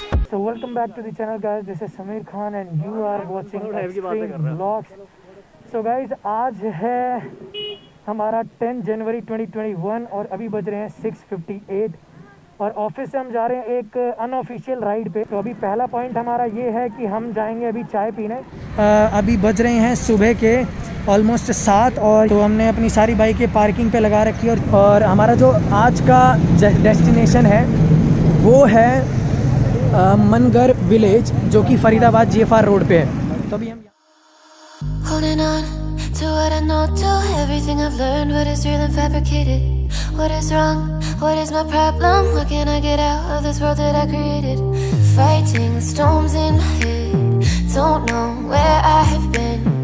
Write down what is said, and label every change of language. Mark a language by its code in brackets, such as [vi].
[en] So welcome back to the channel guys, this is Sameer Khan and you are watching Extreme Vlogs. So guys, [hi] आज है हमारा 10 जनवरी 2021 और अभी बज रहे हैं 6:58 और ऑफिस से हम जा रहे हैं एक अनऑफिशियल राइड पे। तो अभी पहला पॉइंट हमारा ये है कि हम जाएंगे अभी चाय पीने। अभी बज रहे हैं सुबह के ऑलमोस्ट 7 और तो हमने अपनी सारी बाइकें पार्किंग पे लगा रखी है और हमारा जो आज का डेस्टिनेशन है वो है मनगर विलेज जो कि फरीदाबाद GFR रोड पे है। तो अभी हम [en] Holding on to what I know, to everything I've learned, what is real and fabricated, what is wrong, what is my problem, why can't I get out of this world that I created, fighting the storms in my head, don't know where I have been,